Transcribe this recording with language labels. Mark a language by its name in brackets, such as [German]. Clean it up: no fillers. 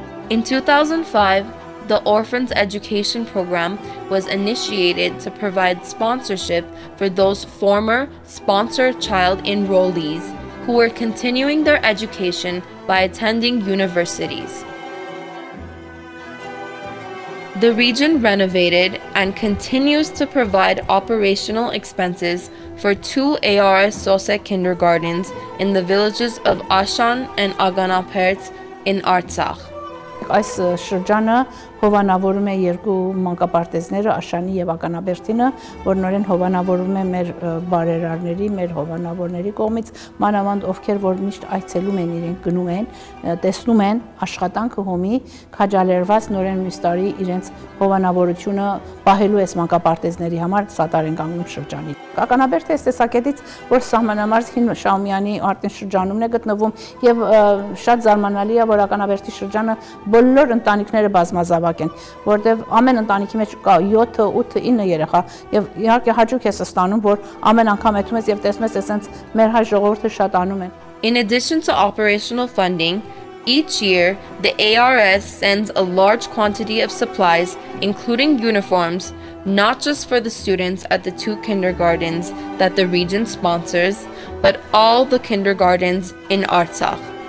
[English] In 2005, the Orphans Education Program was initiated to provide sponsorship for those former Sponsor Child enrollees who were continuing their education by attending universities. The region renovated and continues to provide operational expenses for two ARS-WUSA kindergartens in the villages of Ashan and Aganapertz in Artsakh. [Armenian] Այս շրջանը հովանավորում է երկու մանկապարտեզները, Աշանի եւ Ականաբերտինը, որ նորեն հովանավորում է մեր բարերարների, մեր հովանավորների կողմից, մանավանդ ովքեր որ միշտ այցելում են, իրենք գնում են, տեսնում են աշխատանքը հոմի, քաջալերված նորեն մյուս տարի իրենց հովանավորությունը պահելու է մանկապարտեզների համար սատարեն կանգնում շրջանի։ Ականաբերտը այս տեսակետից, որ սահմանամարզ հին Շաումյանի արդեն շրջանում է գտնվում եւ շատ զարմանալի է, որ Ականաբերտի շրջանը բոլոր ընտանիքները բազմազավակ են, որտեղ ամեն ընտանիքի մեջ կա 7-ը, 8-ը, 9-ը երեխա եւ իհարկե հաճույք է ստանում, որ ամեն անգամ եթում ես եւ տեսնում ես, այսինքն մեր հայ ժողովուրդը շատ անում են։ [English] In addition to operational funding, each year the ARS sends a large quantity of supplies, including uniforms, not just for the students at the two kindergartens that the region sponsors, but all the kindergartens in Artsakh.